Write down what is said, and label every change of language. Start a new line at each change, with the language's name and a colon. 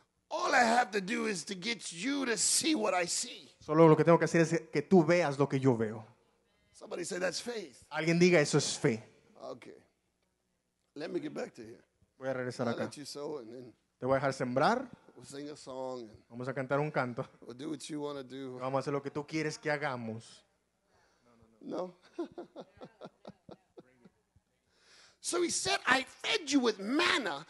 English: All I have to do is to get you to see what I see.
Spanish: Solo lo que tengo que hacer es que tú veas lo que yo veo.
English: Somebody say that's faith.
Spanish: Alguien diga eso es fe.
English: Okay. Let me get back to here.
Spanish: Voy a regresar
English: I'll
Spanish: acá.
English: Let you sow and then
Spanish: te voy a dejar sembrar.
English: We'll sing a song and
Spanish: vamos a cantar un canto.
English: We'll do what you want to do.
Spanish: Vamos a hacer lo que tú quieres que hagamos.
English: No. So he said, I fed you with manna.